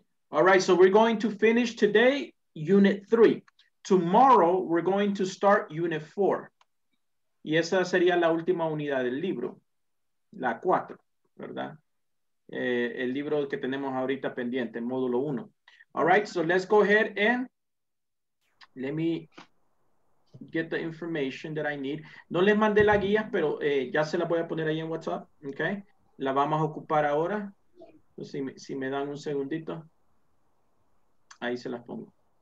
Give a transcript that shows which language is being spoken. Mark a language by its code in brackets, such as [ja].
[en] All right. So we're going to finish today, Unit 3. Tomorrow, we're going to start Unit 4. [es] Y esa sería la última unidad del libro. La 4, ¿verdad? El libro que tenemos ahorita pendiente, módulo 1. [en] All right. So let's go ahead and let me get the information that I need. [es] No les mandé la guía, pero ya se la voy a poner ahí en WhatsApp. Okay. La vamos a ocupar ahora. Si me dan un segundito, ahí se las pongo.